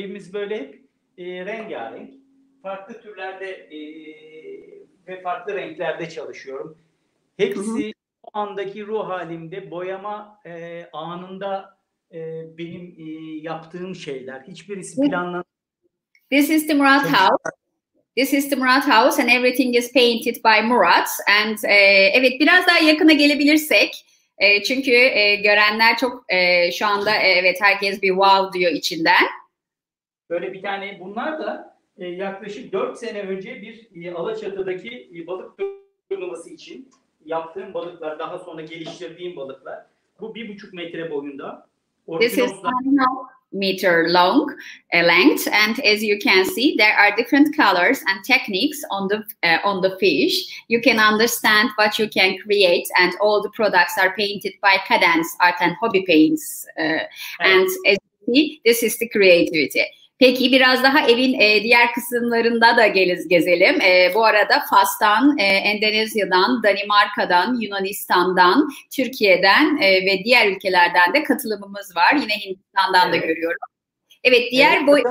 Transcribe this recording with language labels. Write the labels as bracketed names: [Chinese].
[Turkish] Evimiz böyle hep rengarenk. Farklı türlerde ve farklı renklerde çalışıyorum. Hepsi o andaki ruh halimde, boyama anında benim yaptığım şeyler. Hiçbirisi planlanmadı. [English] This is the Murat house. This is the Murat house and everything is painted by Murat. [Turkish] And evet, biraz daha yakına gelebilirsek çünkü görenler çok şu anda evet herkes bir wow diyor içinden. Böyle bir tane, bunlar da yaklaşık 4 sene önce bir Alaçatı'daki balık turnuvası için yaptığım balıklar, daha sonra geliştirdiğim balıklar. Bu 1,5 metre boyunda. [English] This is 1.5 meter long length, and as you can see, there are different colors and techniques on the fish. You can understand what you can create, and all the products are painted by Cadence Art and Hobby Paints. And as you see, this is the creativity. [Turkish] Peki, biraz daha evin diğer kısımlarında da gezelim. Bu arada Fas'tan, Endonezya'dan, Danimarka'dan, Yunanistan'dan, Türkiye'den ve diğer ülkelerden de katılımımız var. Yine Hindistan'dan da görüyorum. Evet, diğer